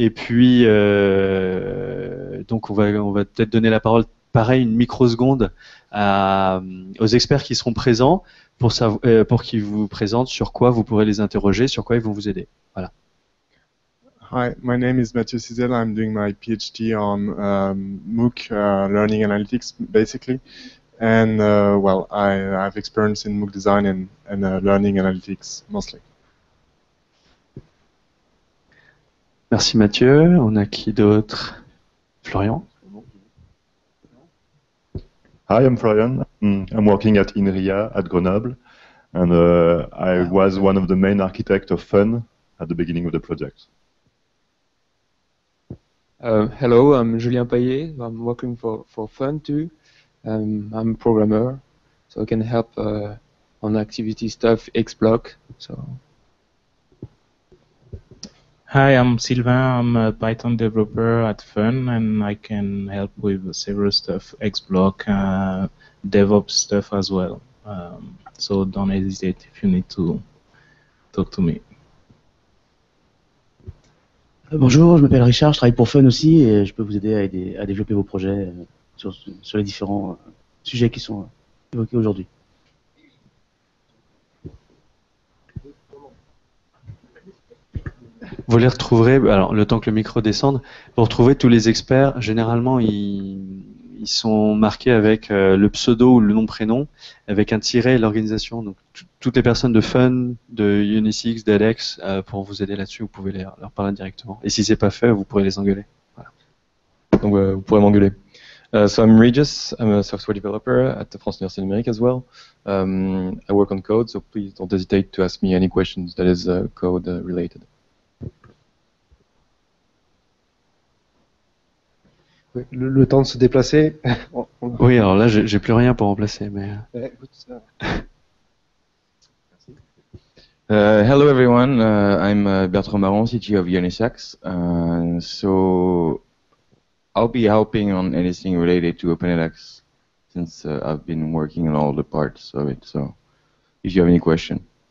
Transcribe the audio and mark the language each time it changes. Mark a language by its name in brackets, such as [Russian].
[French] On va peut-être donner la parole, pareil, une microseconde aux experts qui seront présents. Pour qu'ils vous présentent sur quoi vous pourrez les interroger, sur quoi ils vont vous aider. Voilà. [English] Hi, my name is Mathieu Cizel. I'm doing my PhD on MOOC learning analytics, basically. And, I have experience in MOOC design and learning analytics, mostly. [French] Merci Mathieu. On a qui d'autre? Florian? [English] Hi, I'm Florian. I'm working at INRIA at Grenoble, and I was one of the main architects of FUN at the beginning of the project. Hello, I'm Julien Payet. I'm working for FUN too. I'm a programmer, so I can help on activity stuff, XBlock. So. Hi, I'm Sylvain. I'm a Python developer at FUN, and I can help with several stuff, XBlock, DevOps stuff as well. So don't hesitate if you need to talk to me. [French] Bonjour, je m'appelle Richard, je travaille pour FUN aussi, et je peux vous aider à développer vos projets sur les différents sujets qui sont évoqués aujourd'hui. Vous les retrouverez, alors le temps que le micro descende, vous retrouvez tous les experts. Généralement, ils sont marqués avec le pseudo ou le nom-prénom, avec un tiret et l'organisation. Donc, toutes les personnes de FUN, de Unisix, d'EdX, pour vous aider là-dessus, vous pouvez leur parler directement. Et si c'est pas fait, vous pourrez les engueuler. Voilà. Donc, vous pourrez m'engueuler. [English] So I'm Regis, I'm a software developer at the France Université Numérique as well. I work on code, so please don't hesitate to ask me any questions that is code related. [French] Le temps de se déplacer. Oui, alors là, j'ai plus rien pour remplacer. Mais... Écoute, ça... Merci. [English] Hello everyone, I'm Bertrand Baron, CTO of Unisex. So I'll be helping on anything related to OpenEdX since I've been working on all the parts of it. So if you have any question.